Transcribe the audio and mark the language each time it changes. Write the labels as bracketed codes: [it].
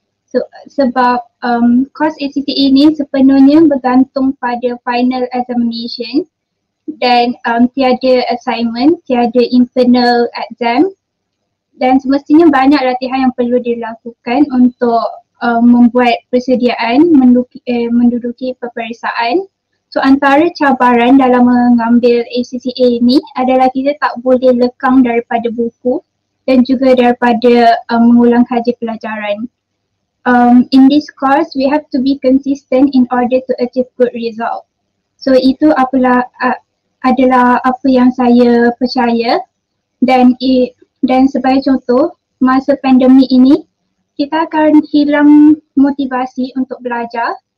[ms] So, sebab course ACCA ini sepenuhnya bergantung pada final examination dan tiada assignment, tiada internal exam dan semestinya banyak latihan yang perlu dilakukan untuk membuat persediaan menduduki peperiksaan. So antara cabaran dalam mengambil ACCA ini adalah kita tak boleh lekang daripada buku dan juga daripada mengulang kaji pelajaran. [en] In this course, we have to be consistent in order to achieve good result. [ms] So itu adalah apa yang saya percaya dan sebagai contoh, masa pandemik ini kita akan hilang motivasi untuk belajar.